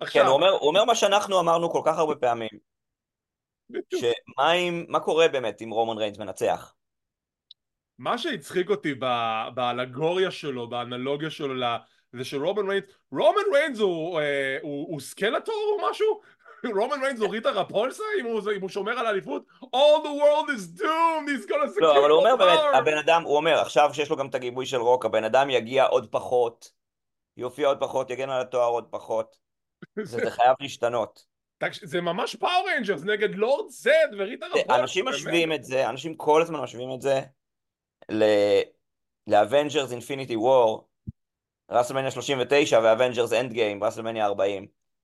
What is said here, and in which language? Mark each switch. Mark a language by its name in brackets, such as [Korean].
[Hebrew] כן, הוא אומר מה שאנחנו אמרנו כל כך הרבה פעמים, מה קורה באמת אם רומן ריינס מנצח? מה שהצחיק אותי באלגוריה שלו, באנלוגיה שלו, זה שרומן ריינס, רומן ריינס הוא סקלטור או משהו? רומן ריינס הוריד את הרפולסה אם הוא שומר על האליפות? [English] All the world is doomed, he's gonna secure the power! [Hebrew] לא, אבל הוא אומר באמת, הבן אדם, הוא אומר, עכשיו שיש לו גם את הגיבוי של רוק, הבן אדם יגיע עוד פחות, יופיע עוד פחות, יגן על התואר עוד פחות, זה חייב להשתנות. זה ממש פאור ריינג'רס נגד לורד זד וריד את הרפולסה, באמת. אנשים משווים את זה, אנשים כל הזמן משווים את זה, לאבנג'רס אינפיניטי וור, רסלמניה 39 ואבנג'רס אנד גיים, רסלמניה 40.